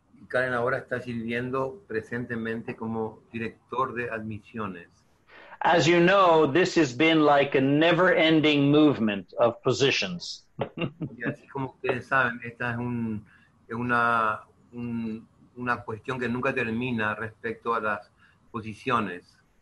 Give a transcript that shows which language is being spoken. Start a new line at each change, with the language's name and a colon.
Spanish: Karen ahora está sirviendo presentemente como director de admisiones.
English: As you know, this has been like a never-ending movement of positions.
Spanish: Y así como ustedes saben, esta es un es una cuestión que nunca termina respecto a las posiciones.